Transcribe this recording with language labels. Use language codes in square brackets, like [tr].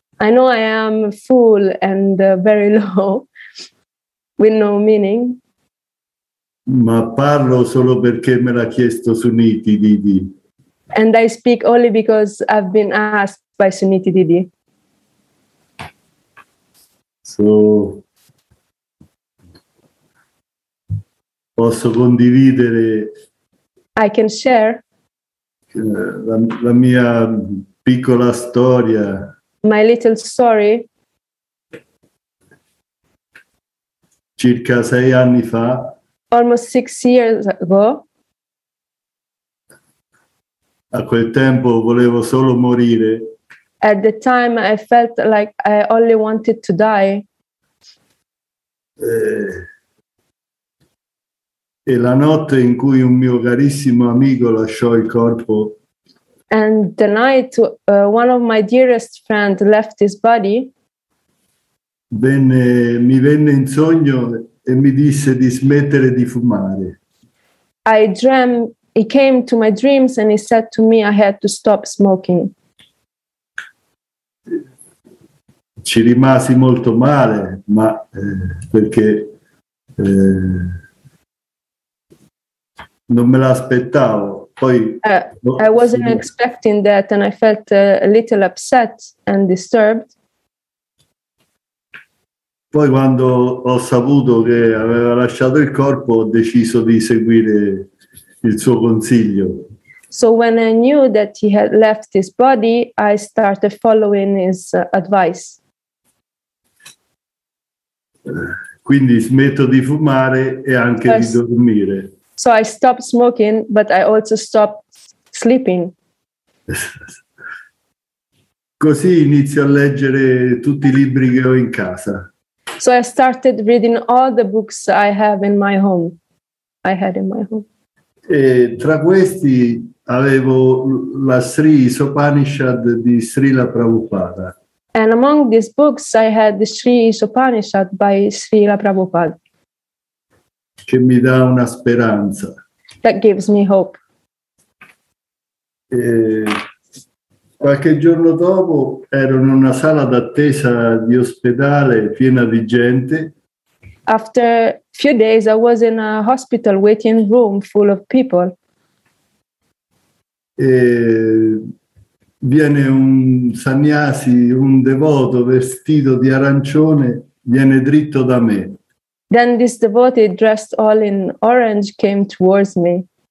[en] I know I am a fool and very low, with no meaning. [it] Ma parlo solo perché me l'ha chiesto Suniti Didi. [en] And I speak only because I've been asked by Suniti Didi. So... [it] Posso condividere [en] I can share [it] la mia piccola storia. [en] My little story. [it] Circa 6 anni fa. [en] Almost 6 years ago. [it] A quel tempo volevo solo morire. [en] At the time I felt like I only wanted to die. [it] E la notte in cui un mio carissimo amico lasciò il corpo. [en] And the night one of my dearest friends left his body. [it] Mi venne in sogno e mi disse di smettere di fumare. [en] He came to my dreams and he said to me I had to stop smoking. [it] Ci rimasi molto male, ma perché... Non me l'aspettavo. Poi [en] I wasn't expecting that and I felt a little upset and disturbed. [it] Poi quando ho saputo che aveva lasciato il corpo, ho deciso di seguire il suo consiglio. [en] So when I knew that he had left his body, I started following his advice. [it] Quindi smetto di fumare e anche di dormire. [en] So I stopped smoking, but I also stopped sleeping. [it] Così inizio a leggere tutti I libri che ho in casa. [en] So I started reading all the books I have in my home. I had in my home. [it] E tra questi avevo la Sri Upanishad di Srila Prabhupada. [en] And among these books I had the Sri Upanishad by Srila Prabhupada. [it] Che mi dà una speranza. [en] That gives me hope. E [it] Qualche giorno dopo ero in una sala d'attesa di ospedale piena di gente. [en] After a few days I was in a hospital waiting room full of people. [it] E viene un sannyasi, un devoto vestito di arancione, viene dritto da me. [en] Then this devotee dressed all in orange came towards me.